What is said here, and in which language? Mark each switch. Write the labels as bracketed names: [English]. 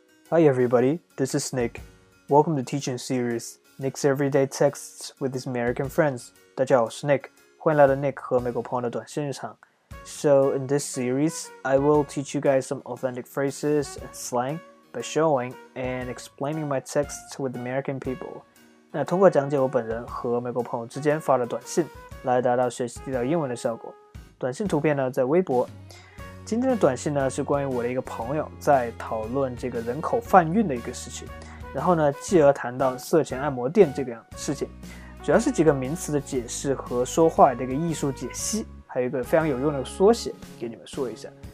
[English] Hi everybody, this is Nick. Welcome to Teaching Series, Nick's Everyday Texts with his American friends. [Chinese] 大家好，我是 Nick， 欢迎来到 Nick 和美国朋友的短信日常。 [English] So in this series, I will teach you guys some authentic phrases and slang by showing and explaining my texts with American people. [Chinese] 那通过讲解我本人和美国朋友之间发的短信，来达到学习地道英文的效果。短信图片呢在微博。今天的短信呢是关于我的一个朋友在讨论这个人口贩运的一个事情，然后呢继而谈到色情按摩店这个事情，主要是几个名词的解释和说话的一个艺术解析，还有一个非常有用的缩写给你们说一下。